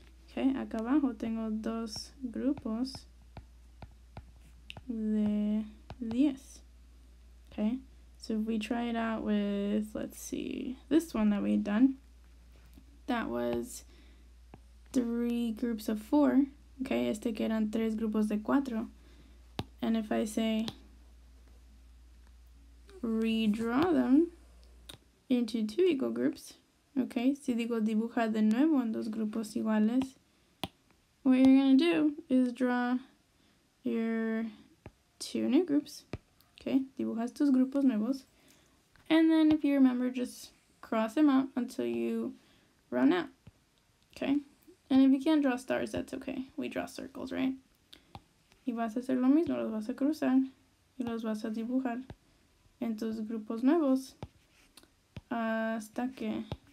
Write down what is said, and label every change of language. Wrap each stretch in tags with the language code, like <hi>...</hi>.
<es>Okay, acá abajo tengo dos grupos de 10.</es> <en>Okay, so if we try it out with, let's see, this one that we had done, that was three groups of four.</en> <es>Okay, este que eran tres grupos de cuatro.</es> <en>And if I say redraw them into two equal groups, okay,</en> <es>si digo dibuja de nuevo en dos grupos iguales,</es> <en>what you're going to do is draw your two new groups, okay,</en> <es>dibujas tus grupos nuevos,</es> <en>and then if you remember, just cross them out until you run out, okay, and if you can't draw stars, that's okay, we draw circles, right?</en> <es>Y vas a hacer lo mismo, los vas a cruzar y los vas a dibujar en tus grupos nuevos hasta que</es>